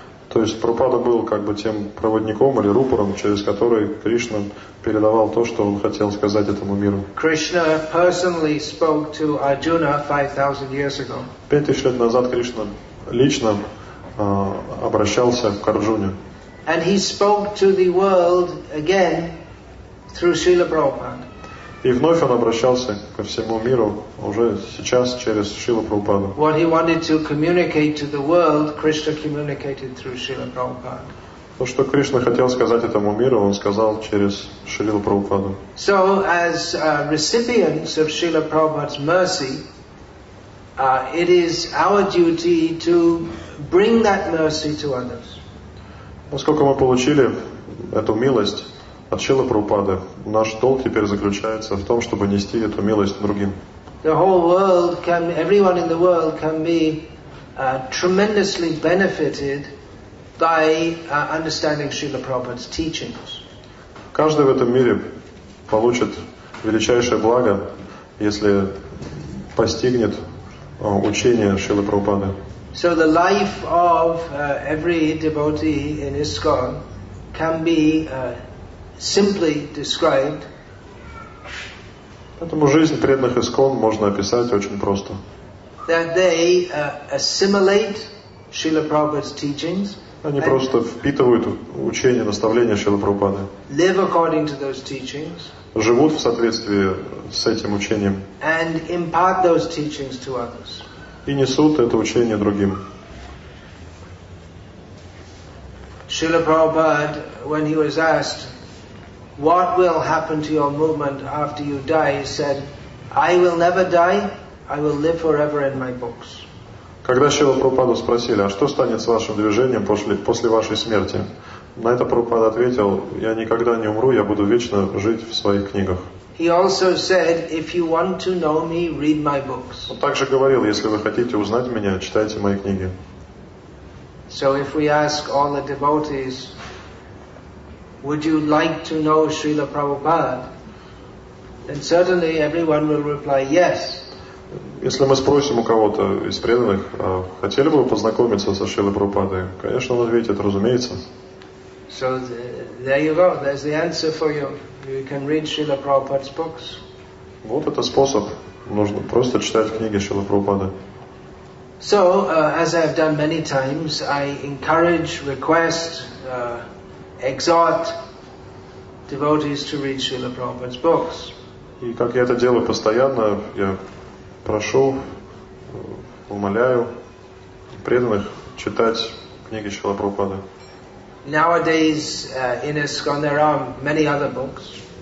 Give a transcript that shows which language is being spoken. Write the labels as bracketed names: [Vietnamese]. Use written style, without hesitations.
[Russian] То есть Прабхупада был как бы тем проводником или рупором, через который Кришна передавал то, что он хотел сказать этому миру. [English] Krishna personally spoke to Arjuna 5000 years ago. [Russian] 5000 лет назад Кришна лично обращался к Арджуне. [English] And he spoke to the world again through Srila Prabhupada. [Russian] И вновь он обращался ко всему миру уже сейчас через Шрилу Прабхупаду. [English] What he wanted to communicate to the world, Krishna communicated through Srila Prabhupada. [Russian] То, что Кришна хотел сказать этому миру, он сказал через Шрилу Прабхупаду. [English] So, as recipients of Srila Prabhupada's mercy, it is our duty to bring that mercy to others. [Russian] Поскольку мы получили эту милость от Шрилы Прабхупады, наш долг теперь заключается в том, чтобы нести эту милость другим. [English] The whole world can, everyone in the world can be tremendously benefited by understanding Srila Prabhupada's teachings. [Russian] Каждый в этом мире получит величайшее благо, если постигнет учение Шрилы Прабхупады. [English] So the life of every devotee in ISKCON can be simply described. [Russian] Поэтому жизнь преданных ИСКОН можно описать очень просто. [English] That they assimilate Srila Prabhupada's teachings. [Russian] Они просто впитывают учение, наставления Шрилы Прабхупады. [English] Live according to those teachings. [Russian] Живут в соответствии с этим учением. [English] And impart those teachings to others. [Russian] И несут это учение другим. [English] Srila Prabhupada, when he was asked, what will happen to your movement after you die? He said, I will never die, I will live forever in my books. [Russian] Когда Шрилу Прабхупаду спросили, а что станет с вашим движением после вашей смерти? На это Прабхупада ответил, я никогда не умру, я буду вечно жить в своих книгах. [English] He also said, if you want to know me, read my books. [Russian] Он также говорил, если вы хотите узнать меня, читайте мои книги. [English] So if we ask all the devotees, would you like to know Srila Prabhupada? And certainly everyone will reply yes. [Russian] Если мы спросим у кого-то из преданных, хотели бы вы познакомиться со Шрилой Прабхупадой? Конечно, он ответит, разумеется. [English] So there you go, there's the answer for you. You can read Srila Prabhupada's books. [Russian] Вот это способ. Нужно просто читать книги Шрилы Прабхупады. [English] So, as I have done many times, I encourage, request, exhort devotees to read Srila Prabhupada's books. [Russian] И как я это делаю постоянно, я прошу, умоляю преданных читать книги Шрилы Прабхупады. [English] Nowadays, in ISKCON, there are many other books.